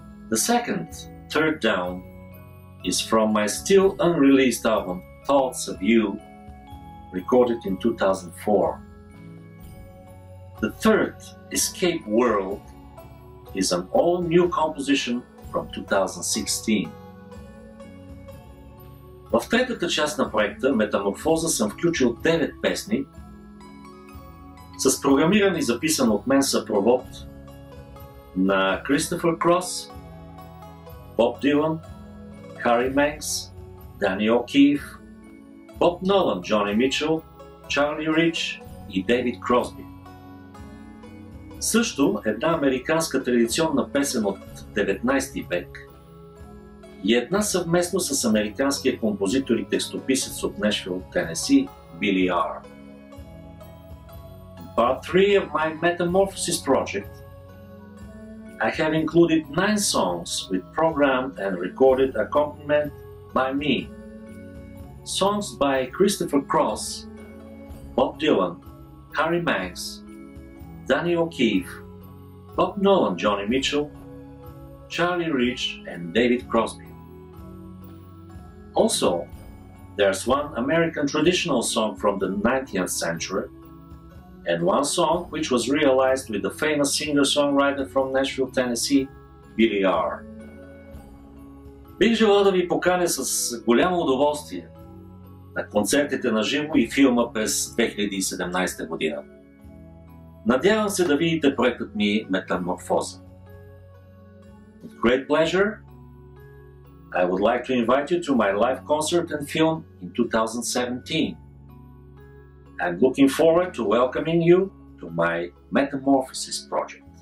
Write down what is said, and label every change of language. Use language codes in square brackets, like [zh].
[en] The second, Third Down, is from my still unreleased album, Thoughts of You, recorded in 2004. The third, Escape World, is an all-new composition from 2016. [bg] В третата част на проекта Метаморфоза съм включил 9 песни с програмиран и записан от мен съпровод на Кристофър Крос, Боб Дилан, Хари Менкс, Дани О'Кийф, Боб Нолан, Джони Митчел, Чарли Рич и Дейвид Кросби. Също една американска традиционна песен от 19 век и една съвместно с американския композитор и текстописец от Нешвил, Тенеси, Били Ар. [en] In part 3 of my Metamorphosis project, I have included 9 songs with programmed and recorded accompaniment by me. Songs by Christopher Cross, Bob Dylan, Harry Manx, Danny O'Keefe, Bob Nolan, Johnny Mitchell, Charlie Rich and David Crosby. Also, there's one American traditional song from the 19th century and one song which was realized with the famous singer-songwriter from Nashville, Tennessee, Billy R. [bg] Бих желал да ви поканя с голямо удоволствие на концертите на живо и филма през 2017 година. Надявам се да видите проектът ми Метаморфоза. [en] With great pleasure, I would like to invite you to my live concert and film in 2017. I'm looking forward to welcoming you to my Metamorphosis project.